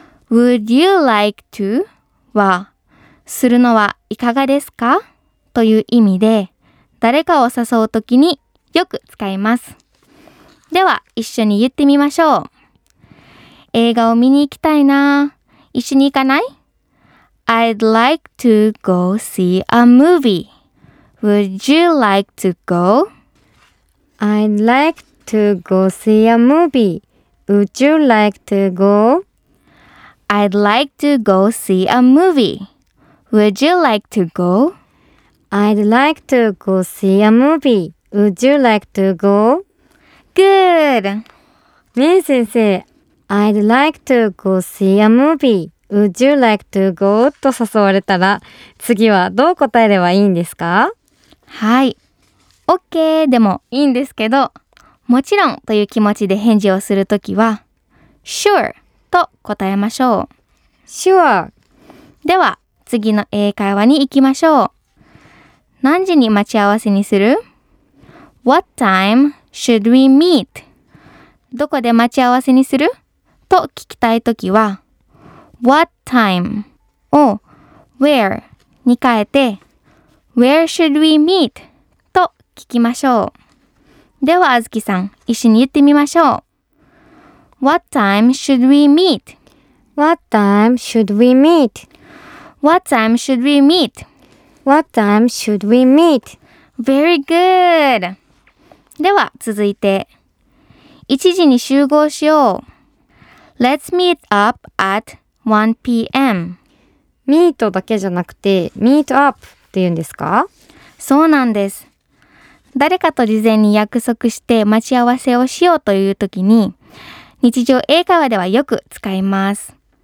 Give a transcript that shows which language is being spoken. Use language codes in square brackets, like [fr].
[en] Would you like to [ja] はするのはいかがですかという意味で、誰かを誘うときによく使います。では一緒に言ってみましょう。映画を見に行きたいな。一緒に行かない [en] ?I'd like to go see a movie.Would you like to go?I'd like to go see a movie.Would you like to go?I'd like to go see a movie. Would you like to go? I'd like to go see a movie. Would you like to go? Good! メイ先生、I'd like to go see a movie. Would you like to go? [ja] と誘われたら、次はどう答えればいいんですか？はい。 OK でもいいんですけど、もちろんという気持ちで返事をするときは、Sure! と答えましょう。 [en] Sure! [ja] では、次の英会話に行きましょう。何時に待ち合わせにする ? [en] What time should we meet? [ja] どこで待ち合わせにする？と聞きたいときは What time を Where に変えて [en] Where should we meet? [ja] と聞きましょう。ではあずきさん、一緒に言ってみましょう。 [en] What time should we meet? What time should we meet? What time should we meet? What time should we meet? Very good! [ja] では続いて、1時に集合しよう。 [en] Let's meet up at 1pm. [ja] Meet だけじゃなくて、meet up って言うんですか？そうなんです。誰かと事前に約束して待ち合わせをしようという時に、日常英会話ではよく使います。